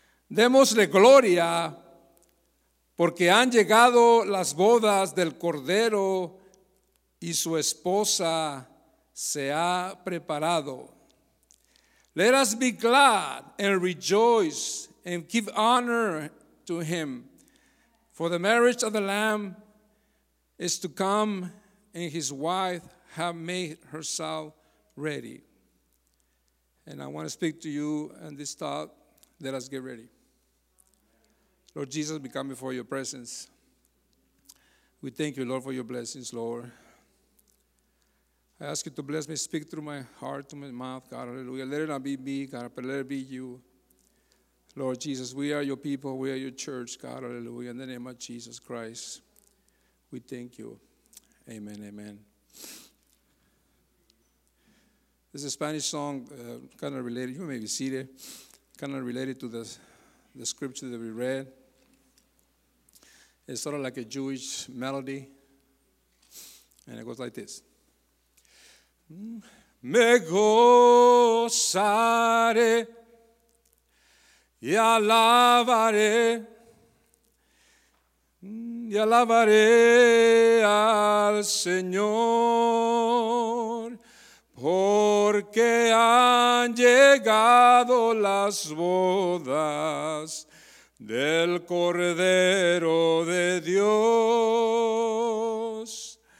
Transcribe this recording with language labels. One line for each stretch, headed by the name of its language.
Spanish: Démosle gloria, porque han llegado las bodas del Cordero y su esposa se ha preparado.
English: Let us be glad and rejoice and give honor to him. For the marriage of the Lamb is to come, and his wife have made herself ready. And I want to speak to you in this thought. Let us get ready. Lord Jesus, we come before your presence. We thank you, Lord, for your blessings, Lord. I ask you to bless me, speak through my heart, through my mouth, God, hallelujah. Let it not be me, God, but let it be you. Lord Jesus, we are your people, we are your church, God, hallelujah. In the name of Jesus Christ, we thank you. Amen, amen. This is a Spanish song, kind of related. You may be seated. Kind of related to the scripture that we read. It's sort of like a Jewish melody, and it goes like this.
Spanish: Me gozaré y alabaré al Señor, porque han llegado las bodas del Cordero de Dios,